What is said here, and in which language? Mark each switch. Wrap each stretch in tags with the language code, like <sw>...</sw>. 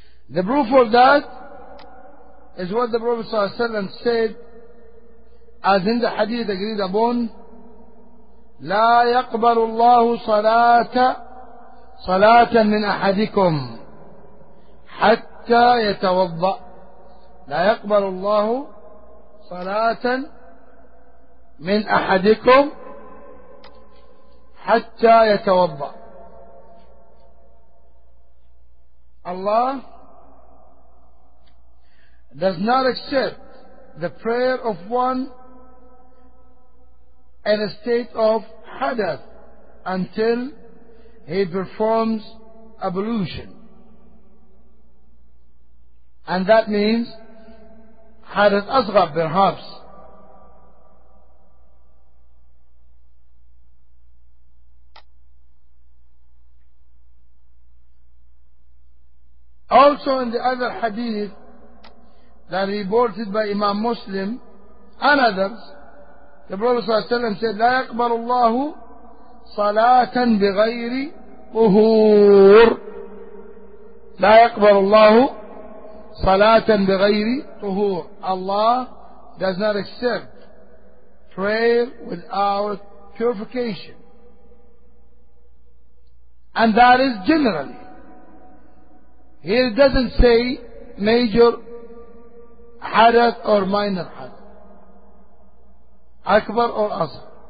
<en>The proof of that is what the Prophet ﷺ said, as in the hadith agreed upon,</en> <ar>لا يقبل الله صلاة صلاة من أحدكم حتى يتوضأ. لا يقبل الله صلاة من أحدكم حتى يتوضأ.</ar> <en>Allah does not accept the prayer of one in a state of hadath until he performs ablution. And that means hadath asghar, perhaps. Also in the other hadith that reported by Imam Muslim and others, the Prophet ﷺ said,</en> <ar>لا يقبل الله صلاة بغير طهور. لا يقبل الله صلاة بغير طهور.</ar> <en>Allah does not accept prayer without purification. And that is generally. He doesn't say major hadath or minor hadath, akbar or asghar.</en>